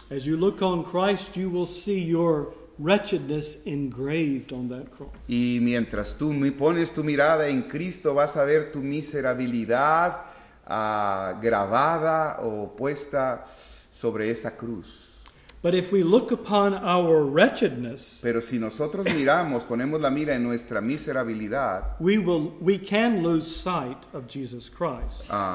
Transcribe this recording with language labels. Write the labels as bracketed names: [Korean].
[English] As you look on Christ, you will see your wretchedness engraved on that cross. [Spanish] Y mientras tú pones tu mirada en Cristo, vas a ver tu miserabilidad grabada o puesta sobre esa cruz. [English] But if we look upon our wretchedness, [Spanish] pero si nosotros miramos, ponemos la mira en nuestra miserabilidad, [English] we can lose sight of Jesus Christ.